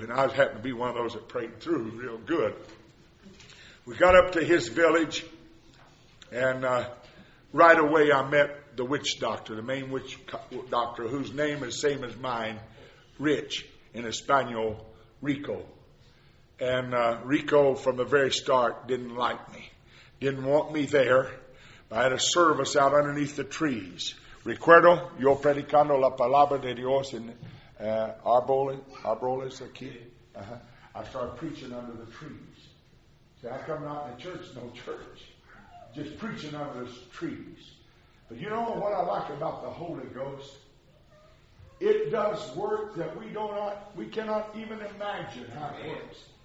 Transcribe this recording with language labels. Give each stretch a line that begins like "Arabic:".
English: And I happen to be one of those that prayed through real good. We got up to his village, and right away I met the witch doctor, the main witch doctor, whose name is same as mine, Rich, in Espanol, Rico. And Rico, from the very start, didn't like me. Didn't want me there. I had a service out underneath the trees.
Spanish: Recuerdo, yo predicando la palabra de Dios en arboles aquí.
English: I started preaching under the trees. See, I come out in the church, no church. Just preaching under the trees. But you know what I like about the Holy Ghost? It does work that we cannot even imagine how it works.